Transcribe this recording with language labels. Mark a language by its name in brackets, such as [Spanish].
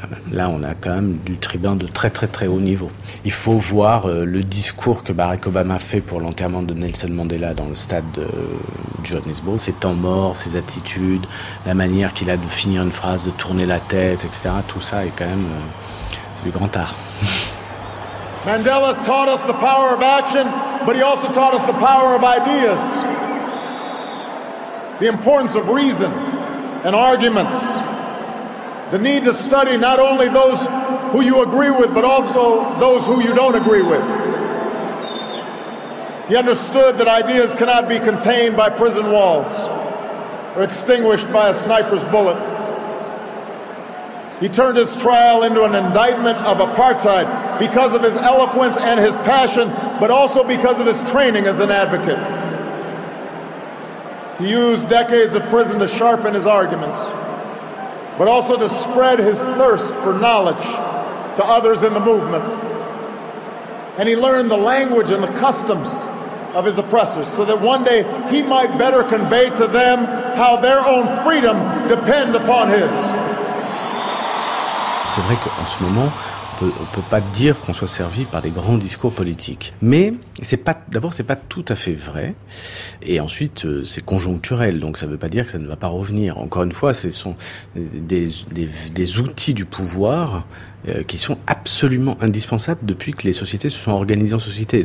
[French] Là, on a quand même du tribun de très, très, très haut niveau. Il faut voir le discours que Barack Obama fait pour l'enterrement de Nelson Mandela dans le stade de Johannesburg. Ses temps morts, ses attitudes, la manière qu'il a de finir une phrase, de tourner la tête, etc. Tout ça est quand même c'est du grand art. [English] Mandela taught us the power of action, but he also taught us the power of ideas. The importance of reason and arguments. The need to study not only those who you agree with, but also those who you don't agree with. He understood that ideas cannot be contained by prison walls or extinguished by a sniper's bullet. He turned his trial into an indictment of apartheid because of his eloquence and his passion, but also because of his training as an advocate. He used decades of prison to sharpen his arguments, but also to spread his thirst for knowledge to others in the movement. And he learned the language and the customs of his oppressors so that one day he might better convey to them how their own freedom depend upon his. [French] C'est vrai qu'en ce moment, on peut pas dire qu'on soit servi par des grands discours politiques. Mais c'est pas tout à fait vrai. Et ensuite, c'est conjoncturel. Donc ça veut pas dire que ça ne va pas revenir. Encore une fois, ce sont des outils du pouvoir qui sont absolument indispensables depuis que les sociétés se sont organisées en société.